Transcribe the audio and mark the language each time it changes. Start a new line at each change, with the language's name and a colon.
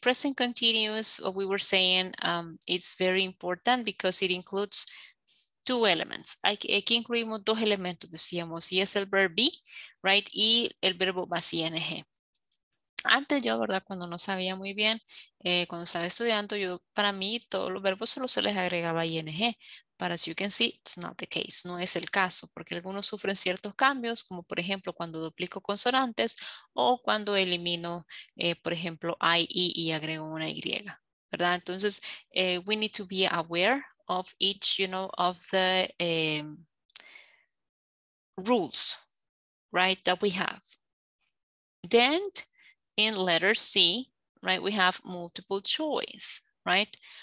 English: Present continuous, what we were saying, it's very important because it includes two elements.
Spanish: Aquí incluimos dos elementos, decíamos, y es el verb be, right? Y el verbo más ing. Antes yo, ¿verdad? Cuando no sabía muy bien, cuando estaba estudiando, yo para mí todos los verbos solo se les agregaba ing.
English: But as you can see, it's not the case.
Spanish: No es el caso, porque algunos sufren ciertos cambios, como por ejemplo cuando duplico consonantes o cuando elimino, por ejemplo, IE y agrego una Y, ¿verdad?
English: Entonces, we need to be aware of each, you know, of the rules, right, that we have. Then, in letter C, right, we have multiple choice, right?